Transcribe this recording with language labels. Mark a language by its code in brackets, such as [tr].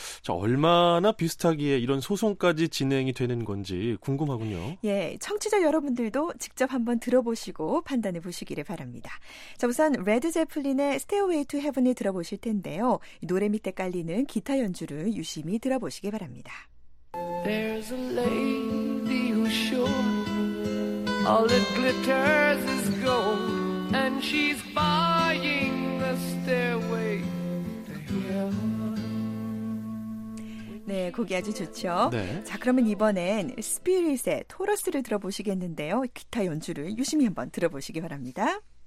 [ko] 자, 얼마나 비슷하기에 이런 소송까지 진행이 되는 건지 궁금하군요. 예, 청취자 여러분들도 직접 한번 들어보시고 판단해 보시기를 바랍니다. 자, 우선 레드 제플린의 Stairway to Heaven을 들어보실 텐데요. 노래 밑에 깔리는 기타 연주를 유심히 들어보시기 바랍니다. [en] There's a lady who's sure all that glitters is gold and she's buying the stairway to heaven. [ko] 네, 곡이 아주 좋죠. 네. 자, 그러면 이번엔 스피릿의 토러스를 들어보시겠는데요. 기타 연주를 유심히 한번 들어보시기 바랍니다.